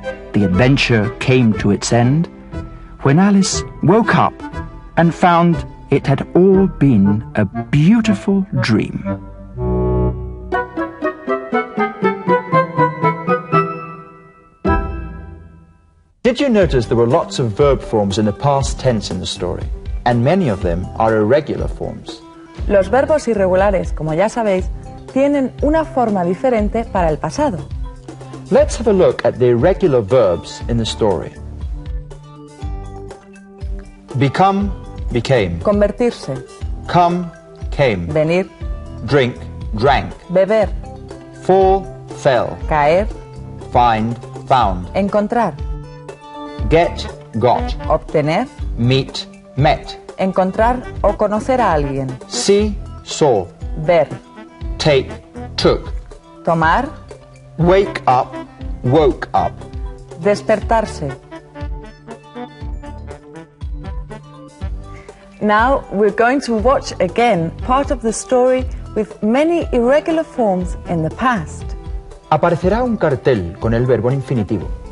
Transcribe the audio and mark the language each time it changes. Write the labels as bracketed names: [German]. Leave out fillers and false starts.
[English] The adventure came to its end when Alice woke up and found it had all been a beautiful dream. Did you notice there were lots of verb forms in the past tense in the story? And many of them are irregular forms. [Spanish] Los verbos irregulares, como ya sabéis, tienen una forma diferente para el pasado. [English] Let's have a look at the irregular verbs in the story. Become, became. [Spanish] Convertirse. [English] Come, came. [Spanish] Venir. [English] Drink, drank. [Spanish] Beber. [English] Fall, fell. [Spanish] Caer. [English] Find, found. [Spanish] Encontrar. [English] Get, got. [Spanish] Obtener. [English] Meet, met. [Spanish] Encontrar o conocer a alguien. [English] See, saw. [Spanish] Ver. [English] Take, took. [Spanish] Tomar. [English] Wake up, woke up. [Spanish] Despertarse. [English] Now we're going to watch again part of the story with many irregular forms in the past. [Spanish] Aparecerá un cartel con el verbo en infinitivo.